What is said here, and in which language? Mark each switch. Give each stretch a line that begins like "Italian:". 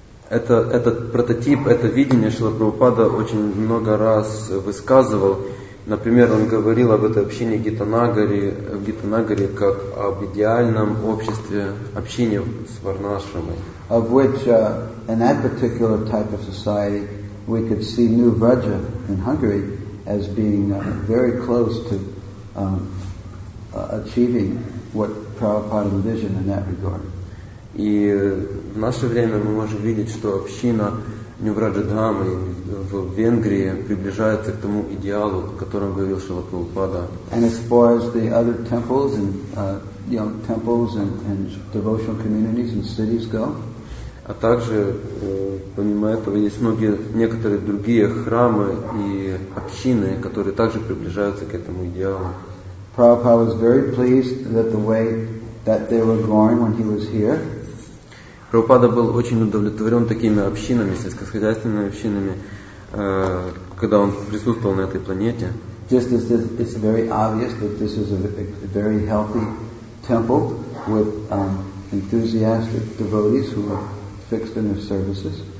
Russian: Этот прототип, это видение Шрила Прабхупада очень много раз высказывал. Например, он говорил об этой общине Гитанагари как об идеальном обществе, общине с Варнашрамой.
English: Of which, in that particular type of society, we could see New Vraja in Hungary as being very close to achieving what Prabhupada envisioned in that regard.
Russian: И в наше время мы можем видеть, что община Нювраджа-дхамы в Венгрии приближается к тому идеалу, о котором говорил Шрила Прабхупада.
English: And as far as the other temples and young temples and devotional communities and cities go.
Russian: А также, помимо этого, есть некоторые другие храмы и общины, которые также приближаются к этому идеалу.
English: Prabhupada was very pleased that the way that they were going when he was here.
Russian: Прабхупада был очень удовлетворен такими общинами, сельскохозяйственными общинами, когда он присутствовал на этой планете.
English: Just as this, it's very obvious that this is a very healthy temple with enthusiastic devotees who are fixed in their services.